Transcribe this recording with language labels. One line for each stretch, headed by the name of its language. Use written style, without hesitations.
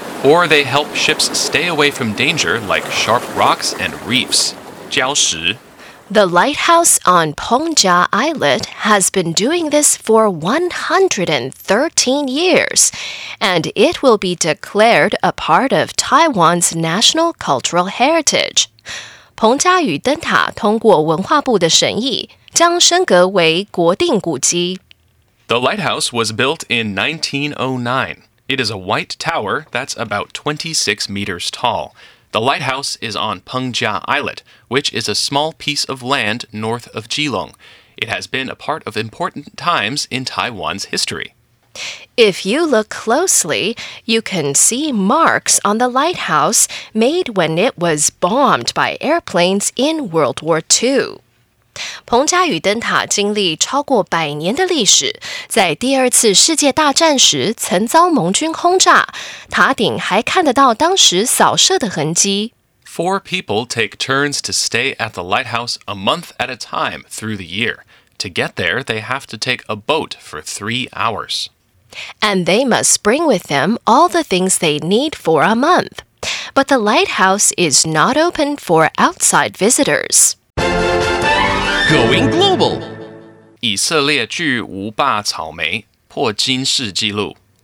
English: Or they help ships stay away from danger like sharp rocks and reefs.
Chinese: 礁石.
English: The lighthouse on Pongjia Islet has been doing this for 113 years, and it will be declared a part of Taiwan's national cultural heritage.
Chinese: 彭家屿灯塔通过文化部的审议将升格为国定古迹.
English: The lighthouse was built in 1909. It is a white tower that's about 26 meters tall. The lighthouse is on Pengjia Islet, which is a small piece of land north of Jilong. It has been a part of important times in Taiwan's history. If you look closely, you can see marks on the lighthouse made when it was bombed by airplanes in World War II.
Chinese: 彭家屿灯塔经历超过百年的历史，在第二次世界大战时曾遭盟军轰炸，塔顶还看得到当时扫射的痕迹。
English: Four people take turns to stay at the lighthouse a month at a time through the year. To get there, they have to take a boat for 3 hours. And they must bring with them all the things they need for a month. But the lighthouse is not open for outside visitors. Going global.
Chinese: 以色列巨无霸草莓破金世纪录。